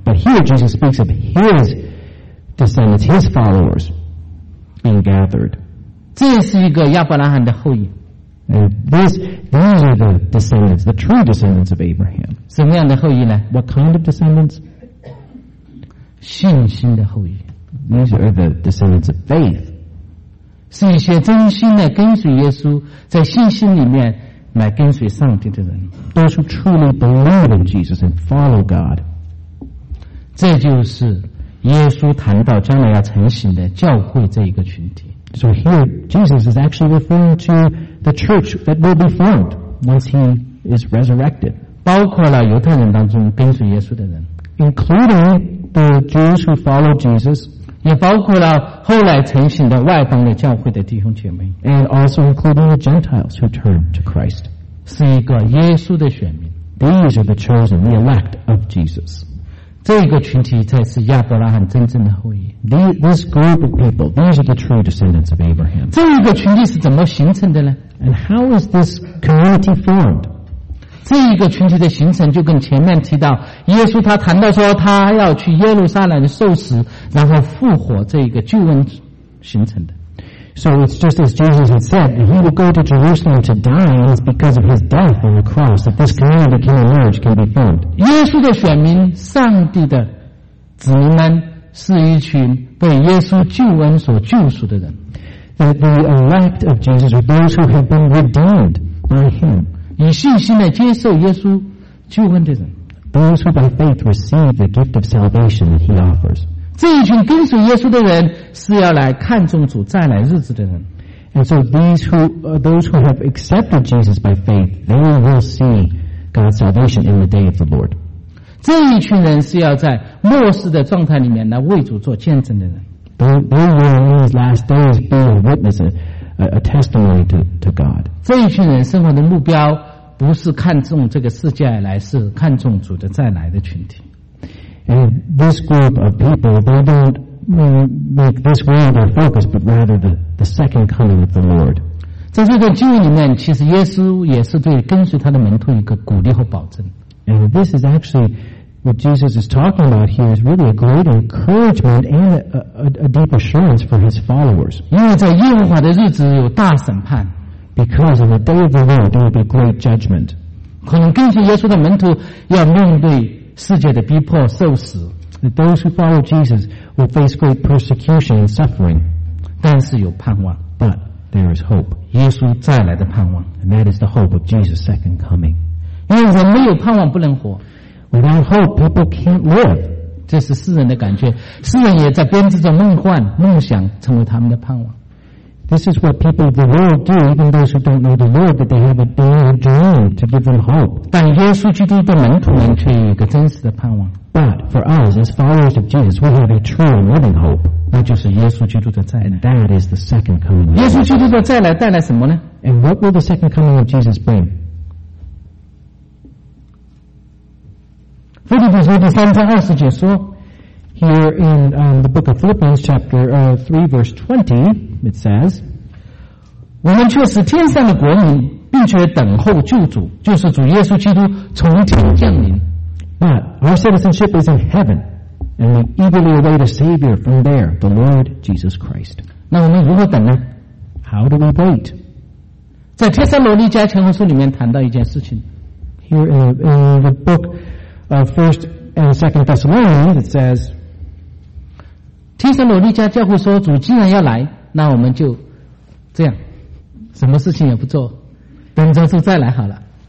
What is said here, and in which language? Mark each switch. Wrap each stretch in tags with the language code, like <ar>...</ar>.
<en>But here Jesus speaks of his descendants, his followers being gathered.</en> <zh>这是一个亚伯拉罕的后裔。</zh> <en>These are the descendants, the true descendants of Abraham.</en> <zh>什么样的后裔呢？</zh> <en>What kind of descendants?</en> <zh>信心的后裔。</zh> <en>These are the descendants of faith.</en> <zh>是一些真心的跟随耶稣，在信心里面来跟随上帝的人。</zh> <en>Those who truly believe in Jesus and follow God.</en> <zh>这就是耶稣谈到将来要成型的教会这一个群体。</zh> <en>So here Jesus is actually referring to the church that will be formed once he is resurrected.</en> <zh>包括了犹太人当中跟随耶稣的人。</zh> <en>Including the Jews who follow Jesus.</en> <zh>也包括了后来成型的外邦的教会的弟兄姐妹。</zh> <en>And also including the Gentiles who turn to Christ.</en> <zh>是一个耶稣的选民。</zh> <en>These are the chosen, the elect of Jesus.</en> <zh>这个群体才是亚伯拉罕真正的后裔。</zh> <en>This group of people, these are the true descendants of Abraham.</en> <zh>这个群体是怎么形成的呢？</zh> <en>And how is this community formed?</en> <zh>这个群体的形成就跟前面提到，耶稣他谈到说他要去耶路撒冷受死，然后复活这个救恩形成的。</zh> <en>So it's just as Jesus had said, he will go to Jerusalem to die, and it's because of his death on the cross that this community can emerge, can be formed.</en> <zh>耶稣的选民，上帝的子民们，是一群被耶稣救恩所救赎的人。</zh> <en>That the elect of Jesus are those who have been redeemed by him.</en> <zh>以信心来接受耶稣救恩的人。</zh> <en>Those who by faith receive the gift of salvation that he offers.</en> <zh>这一群跟随耶稣的人是要来看重主再来日子的人。</zh> <en>And so those who have accepted Jesus by faith, they will see God's salvation in the day of the Lord.</en> <zh>这一群人是要在末世的状态里面来为主做见证的人。</zh> <en>They will in these last days be a witness, a testimony to God.</en> <zh>这一群人生活的目标不是看重这个世界而来，是看重主的再来的群体。</zh> <en>And this group of people, they don't make this world their focus, but rather the second coming of the Lord.</en> <zh>在这段经文里面，其实耶稣也是对跟随他的门徒一个鼓励和保证。</zh> <en>And this is actually what Jesus is talking about here is really a great encouragement and a deep assurance for his followers.</en> <zh>因为在耶和华的日子有大审判。</zh> <en>Because in the day of the Lord, there will be great judgment.</en> <zh>可能跟随耶稣的门徒要面对世界的逼迫受死。</zh> <en>Those who follow Jesus will face great persecution and suffering.</en> <zh>但是有盼望。</zh> <en>But there is hope.</en> <zh>耶稣再来的盼望。</zh> <en>And that is the hope of Jesus' second coming.</en> <zh>因为人没有盼望不能活。</zh> <en>Without hope, people can't live.</en> <zh>这是世人的感觉。世人也在编织着梦幻，梦想成为他们的盼望。</zh> <en>This is what people of the world do, even those who don't know the Lord, that they have a daily dream to give them hope.</en> <zh>但耶稣基督的门徒们却有一个真实的盼望。</zh> <en>But for us, as followers of Jesus, we have a true and living hope.</en> <zh>那就是耶稣基督的再来。</zh> <en>And that is the second coming.</en> <zh>耶稣基督的再来带来什么呢？</zh> <en>And what will the second coming of Jesus bring?</en> <zh>腓立比书第三章二十节说，</zh> <en>Here in the book of Philippians chapter 3 verse 20,It says,</en> <zh>我们却是天上的国民，并且等候救主，就是主耶稣基督从天降临。</zh> <en>But our citizenship is in heaven, and we eagerly await a Savior from there, the Lord Jesus Christ.</en> <zh>那我们如何等呢？</zh> <en>How do we wait?</en> <zh>在帖撒罗尼迦前后书里面谈到一件事情。</zh> <en>Here in the book of 1st and 2nd Thessalonians, it says,</en> <zh>帖撒罗尼迦教会说，主既然要来，那我们就这样，什么事情也不做，等着主再来好了。</zh>